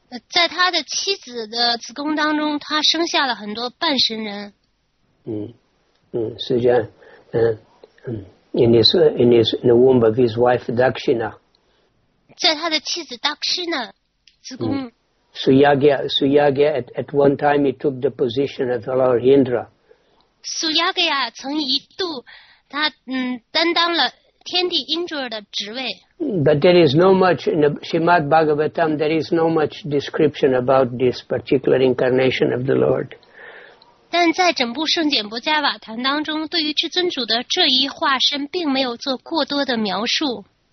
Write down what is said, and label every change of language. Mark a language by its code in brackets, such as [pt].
[zh] 在他的妻子的子宫当中，他生下了很多半神人。 [en] So yeah, in the womb of his wife Dakshina. [zh] 在他的妻子 Dakshina 子宫。 [en] Suyagya at one time he took the position of Lord Indra. [zh] Suyagya 曾一度他担当了天帝 Indra 的职位。 [en] But there is no much in the Srimad Bhagavatam, there is no much description about this particular incarnation of the Lord. [zh] 但在整部圣简博迦瓦坛当中，对于至尊主的这一化身并没有做过多的描述。